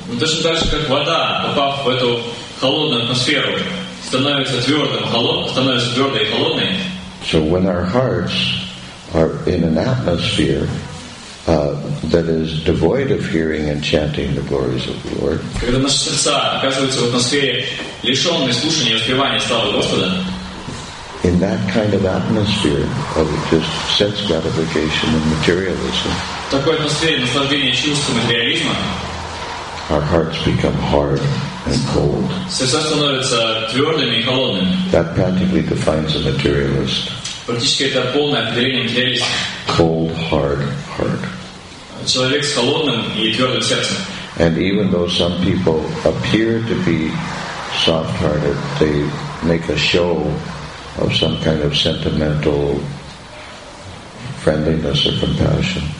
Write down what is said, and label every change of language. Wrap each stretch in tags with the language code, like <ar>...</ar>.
<en>So when our hearts are in an atmosphere that is devoid of hearing and chanting the glories of the Lord.</en> <ru>Когда наши сердца оказываются в атмосфере лишённой слушания и воспевания славы Господа.</ru> <en>In that kind of atmosphere of just sense gratification and materialism.</en> <ru>В такой атмосфере наслаждения чувством и материализма.</ru> <en>Our hearts become hard and cold.</en> <ru>Сердца становятся твёрдыми и холодными.</ru> <en>That practically defines a materialist.</en> <ru>Практически это полное определение материалиста.</ru> <en>Cold, hard heart.</en> <ru>Человек с холодным и твёрдым сердцем.</ru> <en>And even though some people appear to be soft-hearted, they make a show of some kind of sentimental friendliness or compassion.</en>